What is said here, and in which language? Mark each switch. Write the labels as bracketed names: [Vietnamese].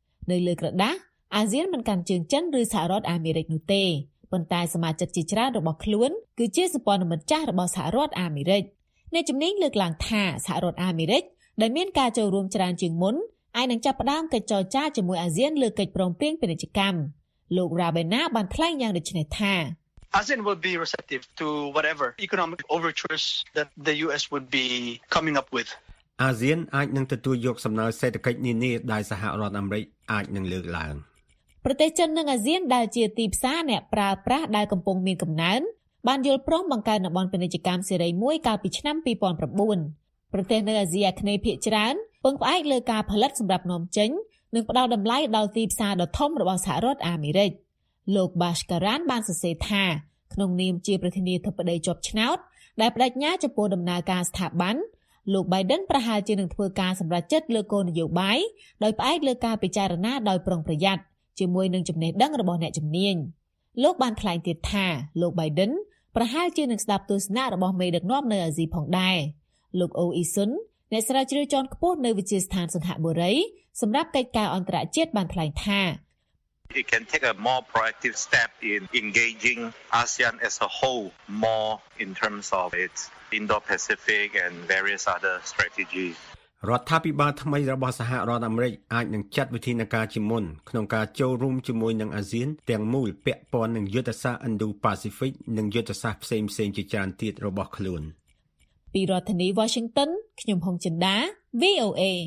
[Khmer] នៅលើក្រដាសអាស៊ានមិនកាន់ជើងចិនឬសហរដ្ឋអាមេរិកនោះទេប៉ុន្តែសមាជិកជាច្រើនរបស់ខ្លួនគឺជាសម្ព័ន្ធមិត្តចាស់របស់សហរដ្ឋអាមេរិកអ្នកជំនាញលើកឡើងថាសហរដ្ឋអាមេរិកដែលមានការចូលរួមច្រើនជាងមុនអាចនឹងចាប់ផ្ដើមកិច្ចចរចាជាមួយអាស៊ានលើកិច្ចព្រមព្រៀងពាណិជ្ជកម្មលោក Rabena បានថ្លែងយ៉ាងដូចនេះថា [English] ASEAN would be receptive to whatever economic overtures that the US would be coming up with [Khmer] អាស៊ានអាចនឹងទទួលយកសំណើសេដ្ឋកិច្ចនានាដែលសហរដ្ឋអាមេរិកអាចនឹងលើកឡើង ប្រទេសចិននិងអាស៊ានដែលជាទីផ្សារអ្នកប្រើប្រាស់ដែលកំពុងមានកំណើនបានយល់ព្រមបង្កើតតំបន់ពាណិជ្ជកម្មសេរីមួយកាលពីឆ្នាំ2009ប្រទេសនៅអាស៊ីអាគ្នេយ៍ភាគច្រើនពឹងផ្អែកលើការផលិតសម្រាប់នាំចេញនិងផ្ដល់តម្លៃដល់ទីផ្សារដ៏ធំរបស់សហរដ្ឋអាមេរិក លោកបាសការ៉ានបានសរសេរថាក្នុងនាមជាប្រធានាធិបតីជាប់ឆ្នោតដែលបដិញ្ញាចំពោះដំណើរការស្ថាប័នលោក Biden ប្រហែលជានឹងធ្វើការសម្រេចចិត្តលើគោលនយោបាយដោយផ្អែកលើការពិចារណាដោយប្រុងប្រយ័ត្នជាមួយនឹងចំណេះដឹងរបស់អ្នកជំនាញលោកបានថ្លែងទៀតថាលោក Biden ប្រហែលជានឹងស្ដាប់ទស្សនៈរបស់មេដឹកនាំនៅអាស៊ីផងដែរលោកអូអ៊ីសុនអ្នកស្រាវជ្រាវជាន់ខ្ពស់នៅវិទ្យាស្ថានសង្ហបុរីសម្រាប់កិច្ចការអន្តរជាតិបានថ្លែងថា [English] It can take a more proactive step in engaging ASEAN as a whole more in terms of its Indo-Pacific and various other strategies [Khmer] រដ្ឋាភិបាលថ្មីរបស់សហរដ្ឋអាមេរិកអាចនឹងចាត់វិធានការជាមុនក្នុងការចូលរួមជាមួយនឹងអាស៊ានទាំងមូលពាក់ព័ន្ធនឹងយុទ្ធសាស្ត្រ Indo-Pacific និងយុទ្ធសាស្ត្រផ្សេងៗជាច្រើនទៀតរបស់ខ្លួន ពីរដ្ឋធានី Washington ខ្ញុំហុងចិនដា VOA